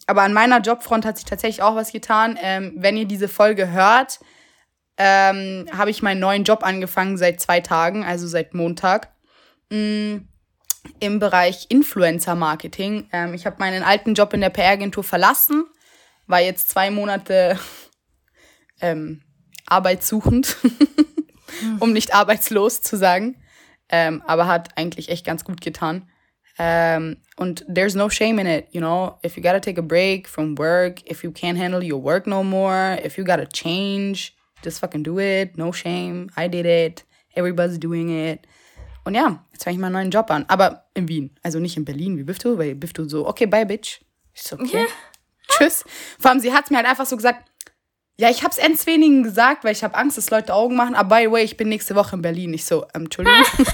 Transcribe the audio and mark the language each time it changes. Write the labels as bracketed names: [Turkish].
[German] Aber an meiner Jobfront hat sich tatsächlich auch was getan. Wenn ihr diese Folge hört, habe ich meinen neuen Job angefangen seit 2 Tagen, also seit Montag, im Bereich Influencer-Marketing. Ich habe meinen alten Job in der PR-Agentur verlassen, war jetzt 2 Monate arbeitssuchend, um nicht arbeitslos zu sagen. Aber hat eigentlich echt ganz gut getan. [English] Und there's no shame in it, you know, if you gotta take a break from work, if you can't handle your work no more, if you gotta change, just fucking do it, no shame, I did it, everybody's doing it. [German] Und ja, jetzt fange ich meinen neuen Job an, aber in Wien, also nicht in Berlin wie Bifto, weil Bifto so, okay, [English] bye, bitch. [German] Ich so, okay, yeah. Tschüss. Vor allem, sie hat's mir halt einfach so gesagt, ja, ich hab's ends wenigen gesagt, weil ich hab Angst, dass Leute Augen machen, aber [English] by the way, [German] ich bin nächste Woche in Berlin. Ich so, Entschuldigung.